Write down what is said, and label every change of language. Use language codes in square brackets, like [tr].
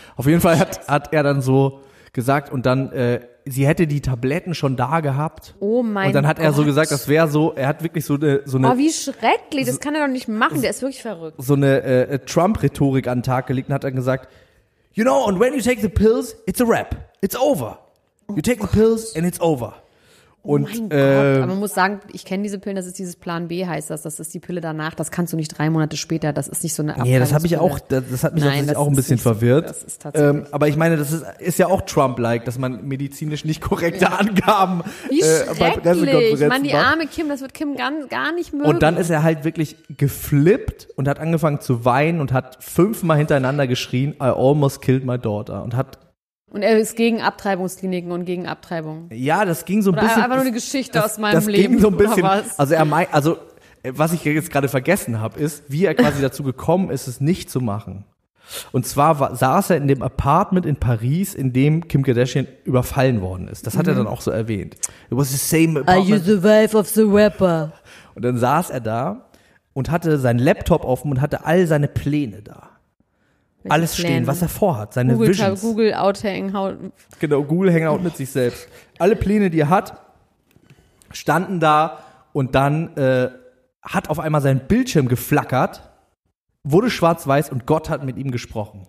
[de] Auf jeden Fall hat er dann so gesagt und dann... sie hätte die Tabletten schon da gehabt. Oh mein Gott. Und dann hat er so gesagt, das wäre so, er hat wirklich so eine... Oh, wie schrecklich, das kann er doch nicht machen, der ist wirklich verrückt. So eine Trump-Rhetorik an den Tag gelegt und hat dann gesagt, [en] you know, and when you take the pills, it's a wrap, it's over. You take the pills and it's over. [de] Und, Gott, aber man muss sagen, ich kenne diese Pillen, das ist dieses Plan B, heißt das. Das ist die Pille danach, das kannst du nicht 3 Monate später, das ist nicht so eine Abteilung. Nee, das habe ich auch, das hat mich tatsächlich auch ein bisschen verwirrt. Das ist aber ich meine, das ist ja auch Trump-like, dass man medizinisch nicht korrekte Angaben bei Pressekonferenzen macht. Ich meine, die arme Kim, das wird Kim gar nicht mögen. Und dann ist er halt wirklich geflippt und hat angefangen zu weinen und hat 5-mal hintereinander geschrien, [en] I almost killed my daughter [de] und hat... Und er ist gegen Abtreibungskliniken und gegen Abtreibung. Ja, das ging so ein oder bisschen. Einfach nur eine Geschichte aus meinem das Leben. Das ging so ein bisschen. Was ich jetzt gerade vergessen habe, ist, wie er quasi dazu gekommen ist, es nicht zu machen. Und zwar saß er in dem Apartment in Paris, in dem Kim Kardashian überfallen worden ist. Das hat er dann auch so erwähnt. [en] It was the same apartment. Are you the wife of the rapper? [de] Und dann saß er da und hatte seinen Laptop offen und hatte all seine Pläne da. Alles Pläne. Stehen, was er vorhat, seine Google, Visions. Google Outhangout. Genau, Google Hangout mit sich selbst. Alle Pläne, die er hat, standen da und dann hat auf einmal sein Bildschirm geflackert, wurde schwarz-weiß und Gott hat mit ihm gesprochen.